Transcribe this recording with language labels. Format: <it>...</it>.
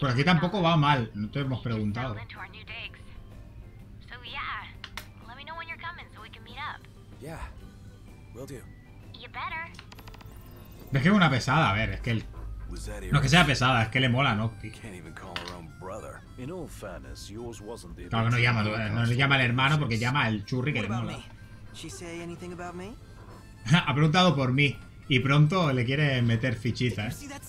<es>Por aquí tampoco va mal, no te hemos preguntado.</es> <en>So yeah, let me know when you're coming so we can meet up. Yeah, will do. You better.</en> <es>Es que es una pesada, a ver, es que él. No es que sea pesada, es que le mola, ¿no? Claro que no llama, no le llama el hermano porque llama el churri que le mola.</es> <en>She say anything about me?</en> <es>Ha preguntado por mí y pronto le quiere meter fichitas.</es>